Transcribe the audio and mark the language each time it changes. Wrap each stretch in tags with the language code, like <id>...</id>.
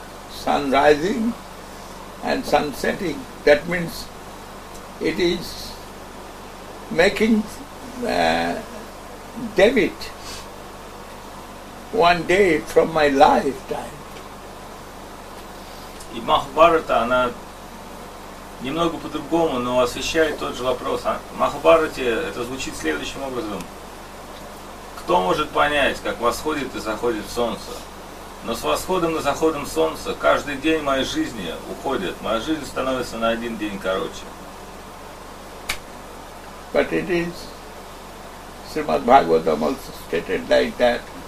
<en>Sun rising and sun setting, that means it is making debit one day from my lifetime.</en> <ru>И Махабхарата, она немного по-другому, но освещает тот же вопрос. Махабхарате это звучит следующим образом. Кто может понять, как восходит и заходит солнце? Но с восходом и заходом солнца каждый день моей жизни уходит. Моя жизнь становится на один день короче.</ru> <en>But it is Srimad Bhagavatam also stated like that.</en>